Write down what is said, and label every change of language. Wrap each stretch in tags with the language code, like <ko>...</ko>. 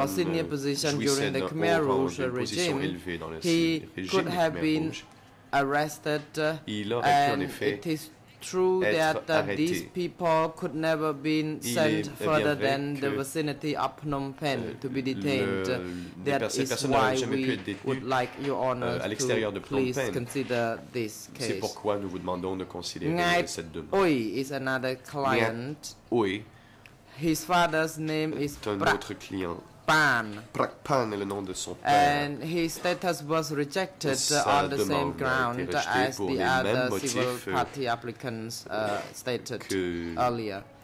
<en>or senior position during the Khmer Rouge regime, he could have been arrested, and it is true that these people could never be sent further than the vicinity of Phnom Penh to be detained. That is why we would like your honor to please consider this case.</en> <fr>C'est pourquoi nous vous demandons de considérer cette demande.</fr> <en>Ngai Oi is another client. Oi. His father's name is Prak Pan.</en> <fr>Prak Pan est le nom de son père.</fr> <en>And his status was rejected on the same ground as the other civil party applicants stated earlier.</en>